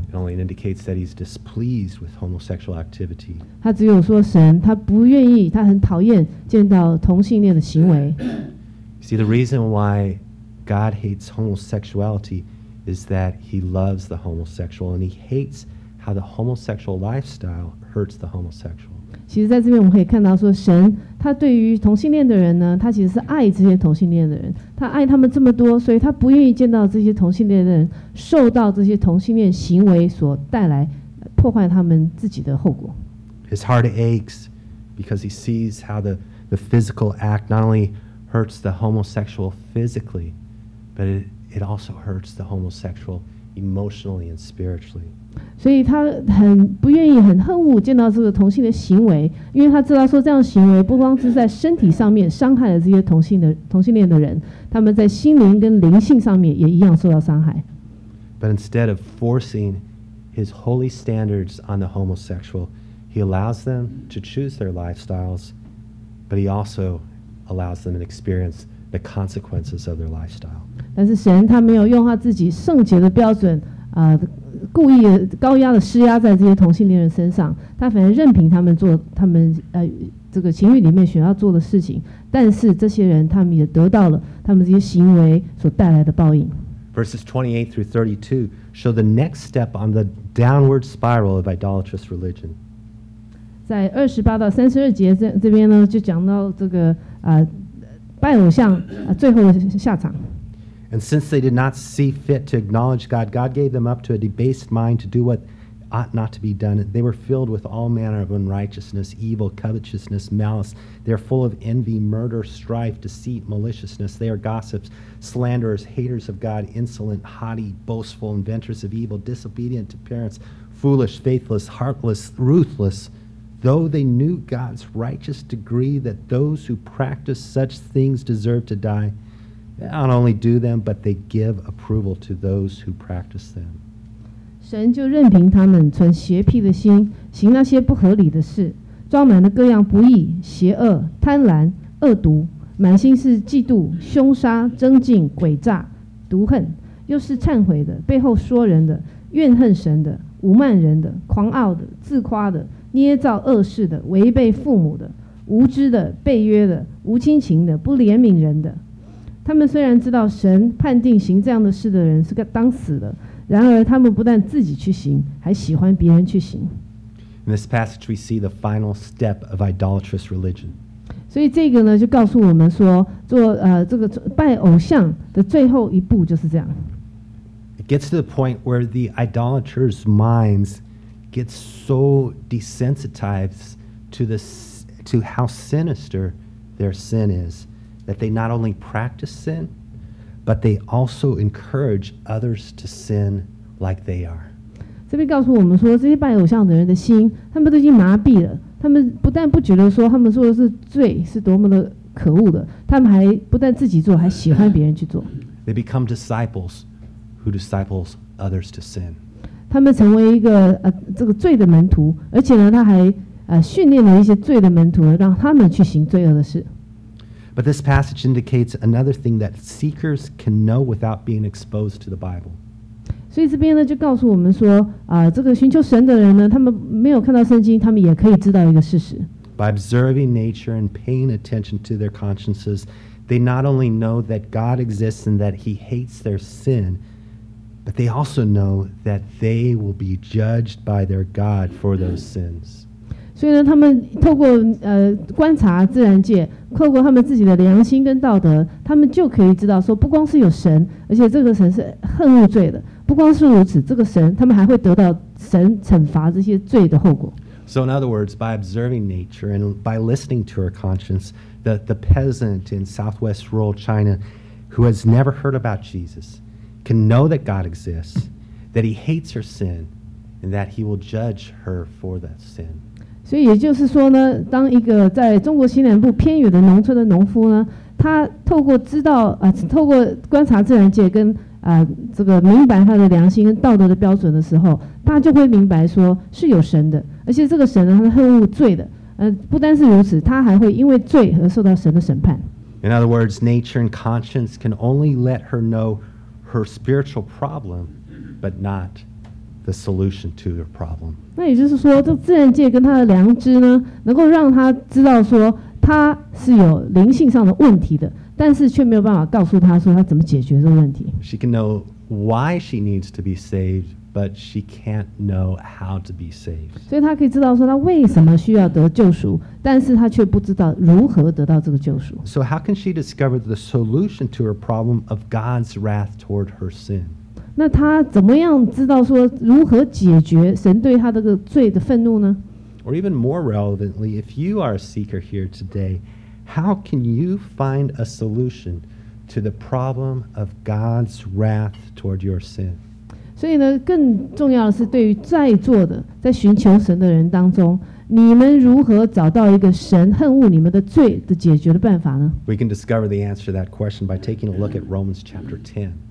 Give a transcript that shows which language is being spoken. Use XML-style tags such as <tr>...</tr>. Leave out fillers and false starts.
<en>It only indicates that he's displeased with homosexual activity.</en> <zh>他只有说神，他不愿意，他很讨厌见到同性恋的行为。</zh> <en>See, the reason why God hates homosexuality is that he loves the homosexual and he hates how the homosexual lifestyle hurts the homosexual.</en> <zh>其实在这边我们可以看到说，神他对于同性恋的人呢，他其实是爱这些同性恋的人，他爱他们这么多，所以他不愿意见到这些同性恋的人受到这些同性恋行为所带来破坏他们自己的后果。</zh> <en>His heart aches because he sees how the physical act not only hurts the homosexual physically, but it also hurts the homosexual emotionally and spiritually.</en> <zh>所以他很不愿意，很恨恶见到这个同性的行为，因为他知道说这样的行为不光是在身体上面伤害了这些同性恋的人，他们在心灵跟灵性上面也一样受到伤害。</zh> <en>But instead of forcing his holy standards on the homosexual, he allows them to choose their lifestyles, but he also allows them to experience the consequences of their lifestyle.</en> <zh>但是神他没有用他自己圣洁的标准故意高压的施压在这些同性恋人身上，他反而任凭他们做他们这个情欲里面想要做的事情，但是这些人他们也得到了他们这些行为所带来的报应。</zh> <en>Verses 28 through 32 show the next step on the downward spiral of idolatrous religion.</en> <zh>在28-32节这边呢，就讲到这个拜偶像最后的下场。</zh> <en>And since they did not see fit to acknowledge God, God gave them up to a debased mind to do what ought not to be done. They were filled with all manner of unrighteousness, evil, covetousness, malice. They are full of envy, murder, strife, deceit, maliciousness. They are gossips, slanderers, haters of God, insolent, haughty, boastful, inventors of evil, disobedient to parents, foolish, faithless, heartless, ruthless. Though they knew God's righteous decree that those who practice such things deserve to die, they not only do them, but they give approval to those who practice them.</en> <zh>神就任凭他们存邪僻的心，行那些不合理的事，装满了各样不义、邪恶、贪婪、恶毒，满心是嫉妒、凶杀、争竞、诡诈、毒恨，又是忏悔的、背后说人的、怨恨神的、侮慢人的、狂傲的、自夸的、捏造恶事的、违背父母的、无知的、背约的、无亲情的、不怜悯人的。他们虽然知道神判定行这样的事的人是个当死的，然而他们不但自己去行，还喜欢别人去行。</zh> <en>In this passage, we see the final step of idolatrous religion.</en> <zh>所以这个呢，就告诉我们说，做这个拜偶像的最后一步就是这样。</zh> <en>It gets to the point where the idolaters' minds get so desensitized to how sinister their sin is that they not only practice sin. But they also encourage others to sin like they are.</en> <zh>这边告诉我们说，这些拜偶像的人的心，他们都已经麻痹了。他们不但不觉得说他们做的是罪是多么的可恶的，他们还不但自己做，还喜欢别人去做。</zh> <en>They become disciples who disciples others to sin.</en> <zh>他们成为一个这个罪的门徒，而且呢，他还训练了一些罪的门徒，让他们去行罪恶的事。</zh> <en>But this passage indicates another thing that seekers can know without being exposed to the Bible.</en> <zh>所以这边呢就告诉我们说，这个寻求神的人呢，他们没有看到圣经，他们也可以知道一个事实。</zh> <en>By observing nature and paying attention to their consciences, they not only know that God exists and that He hates their sin, but they also know that they will be judged by their God for those sins.</en> <zh>所以呢，他们透过观察自然界，透过他们自己的良心跟道德，他们就可以知道说，不光是有神，而且这个神是恨恶罪的。不光是如此，这个神，他们还会得到神惩罚这些罪的后果。</zh> <en>So in other words, by observing nature and by listening to our conscience, the peasant in southwest rural China who has never heard about Jesus can know that God exists, that He hates her sin, and that He will judge her for that sin.</en> <zh>所以也就是说呢，当一个在中国西南部偏远的农村的农夫呢，他透过知道透过观察自然界跟这个明白他的良心跟道德的标准的时候，他就会明白说是有神的，而且这个神呢，他恨恶罪的。不单是如此，他还会因为罪而受到神的审判。</zh> <en>In other words, nature and conscience can only let her know her spiritual problem, but not. The solution to your problem.</en> <zh>那也就是说，这自然界跟他的良知呢，能够让他知道说他是有灵性上的问题的，但是却没有办法告诉他说他怎么解决这个问题。</zh> <en>She can know why she needs to be saved, but she can't know how to be saved.</en> <zh>所以他可以知道说他为什么需要得救赎，但是他却不知道如何得到这个救赎。</zh> <en>So how can she discover the solution to her problem of God's wrath toward her sin?</en> <zh>那他怎么样知道说如何解决神对他这个罪的愤怒呢</zh> <en>？Or even more relevantly, if you are a seeker here today, how can you find a solution to the problem of God's wrath toward your sin?</en> <zh>所以呢，更重要的是，对于在座的在寻求神的人当中，你们如何找到一个神恨恶你们的罪的解决的办法呢</zh> <en>？We can discover the answer to that question by taking a look at Romans chapter 10.</en>